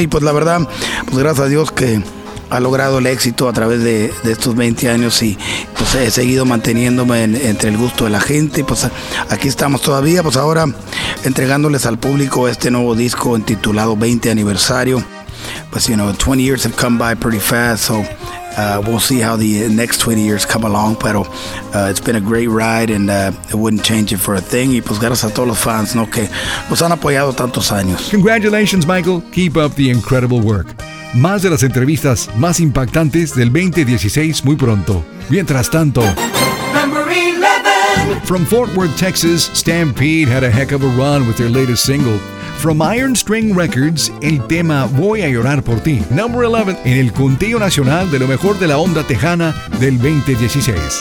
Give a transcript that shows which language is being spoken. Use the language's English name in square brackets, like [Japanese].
[Spanish] Y pues la verdad, pues gracias a Dios que ha logrado el éxito a través de estos 20 años y pues he seguido manteniéndome entre el gusto de la gente. Pues aquí estamos todavía, pues ahora entregándoles al público este nuevo disco intitulado 20 aniversario. [English] Pues you know, 20 years have come by pretty fast, so we'll see how the next 20 years come along, pero it's been a great ride and it wouldn't change it for a thing. [Spanish] Y pues gracias a todos los fans, ¿no? Que nos han apoyado tantos años. [English] Congratulations, Michael. Keep up the incredible work. [Spanish] Más de las entrevistas más impactantes del 2016 muy pronto. Mientras tanto... [English] Number 11. From Fort Worth, Texas, Stampede had a heck of a run with their latest single. From Iron String Records, [Spanish] el tema [English] Voy a Llorar por Ti. [Spanish] Number 11 en el conteo nacional de lo mejor de la onda tejana del 2016.